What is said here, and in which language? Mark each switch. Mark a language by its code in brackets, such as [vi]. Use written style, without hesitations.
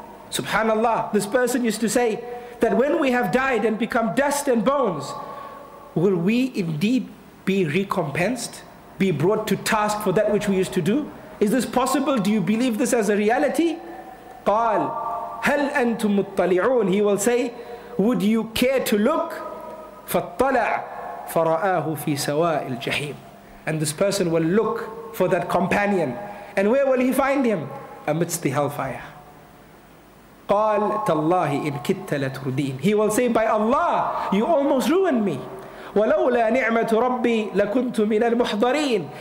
[en] Subhanallah, this person used to say that when we have died and become dust and bones, will we indeed be recompensed? Be brought to task for that which we used to do? Is this possible? Do you believe this as a reality? [ar] قال هل أنتم مطلعون. [en] He will say, would you care to look? [ar] فطلع فرآه في سواء الجحيم. [en] And this person will look for that companion. And where will he find him? Amidst the hellfire. [ar] قال تالله إن كدت لتردين. [en] He will say, by Allah, you almost ruined me. [ar] وَلَوْلَا نِعْمَةُ رَبِّي لَكُنْتُ مِنَ الْمُحْضَرِينَ.